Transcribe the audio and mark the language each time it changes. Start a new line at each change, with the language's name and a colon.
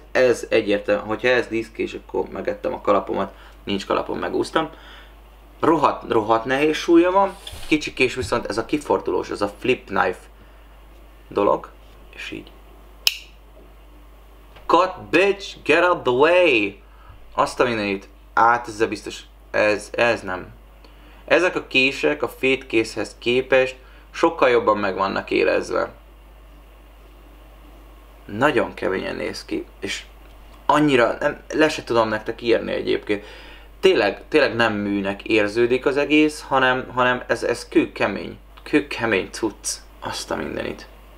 Hungarian: Ez egyértelmű, hogyha ez díszkés, akkor megettem a kalapomat. Nincs kalapom, megúsztam. Rohadt nehéz súlya van. Kicsikés viszont ez a kifordulós, ez a flip knife dolog. És így.
English: Cut, bitch, get out the way!
Hungarian: Azt a mindenit. Át, ez biztos. Ez nem. Ezek a kések a fétkészhez képest sokkal jobban meg vannak érezve. Nagyon keményen néz ki, és annyira, nem, le se tudom nektek írni egyébként. Tényleg nem műnek érződik az egész, hanem ez kőkemény cucc, azt a mindenit.